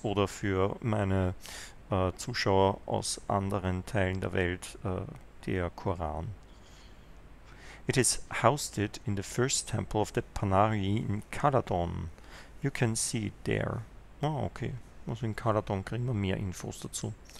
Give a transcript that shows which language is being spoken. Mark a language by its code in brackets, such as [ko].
[de] Oder für meine Zuschauer aus anderen Teilen der Welt, der Koran. [en] It is housed in the first temple of the Panarii in Caladon. You can see it there. Ah, okay. [de] Also in Caladon kriegen wir mehr Infos dazu.